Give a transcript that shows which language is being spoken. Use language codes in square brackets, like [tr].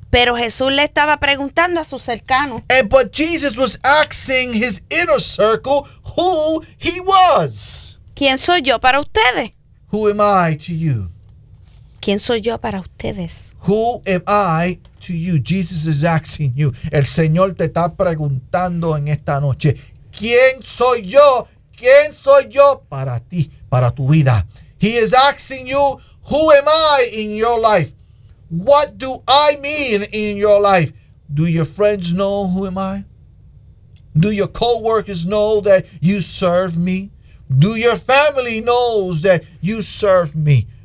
[es] Pero Jesús le estaba preguntando a sus cercanos. [en] But Jesus was asking his inner circle who he was. [es] ¿Quién soy yo para ustedes? [en] Who am I to you? [es] ¿Quién soy yo para ustedes? [en] Who am I to you? Jesus is asking you. [es] El Señor te está preguntando en esta noche. ¿Quién soy yo? ¿Quién soy yo para ti, para tu vida? [en] He is asking you, who am I in your life? What do I mean in your life? Do your friends know who am I? Do your co-workers know that you serve me? Do your family knows that you serve me?